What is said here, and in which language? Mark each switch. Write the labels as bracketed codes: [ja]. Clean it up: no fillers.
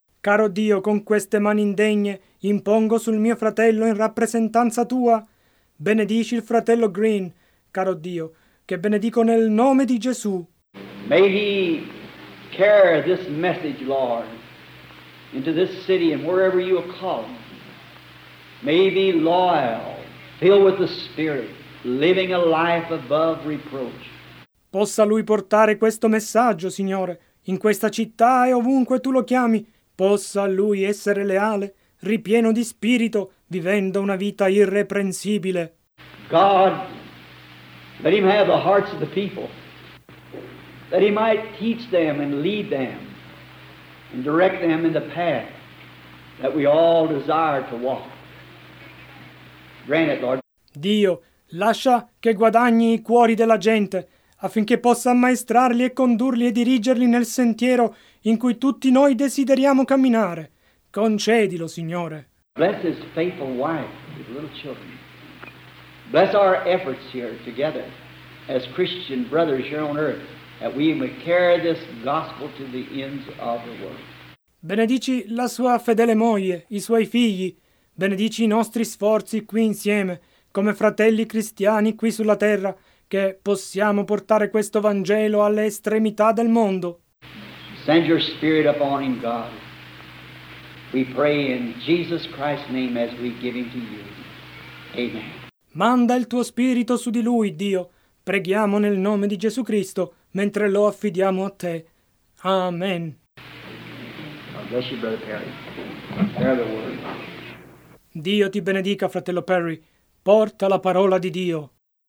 [it] Caro Dio, con queste mani indegne, impongo sul mio fratello in rappresentanza tua. Benedici il fratello Green, caro Dio, che benedico nel nome di Gesù. [en] May he carry this message, Lord, into this city and wherever you will call him. May he be loyal, filled with the Spirit, living a life above reproach. [it] Possa lui portare questo messaggio, Signore, in questa città e ovunque tu lo chiami. Possa lui essere leale, ripieno di spirito, vivendo una vita irreprensibile. [en] God, let him have the hearts of the people, that he might teach them and lead them and direct them in the path that we all desire to walk. Grant it, Lord. [it] Dio, lascia che guadagni i cuori della gente, affinché possa ammaestrarli e condurli e dirigerli nel sentiero in cui tutti noi desideriamo camminare. Concedilo, Signore. [en] Bless his faithful wife with little children. Bless our efforts here together as Christian brothers here on earth, that we may carry this gospel to the ends of the world. [it] Benedici la sua fedele moglie, i suoi figli. Benedici i nostri sforzi qui insieme, come fratelli cristiani qui sulla terra, che possiamo portare questo Vangelo alle estremità del mondo. [en] Send your spirit upon him, God. We pray in Jesus Christ's name as we give him to you. Amen. [it] Manda il tuo spirito su di lui, Dio. Preghiamo nel nome di Gesù Cristo, mentre lo affidiamo a te. Amen. [en] God bless you, Brother Perry. Bear the word. [it] Dio ti benedica, fratello Perry. Porta la parola di Dio.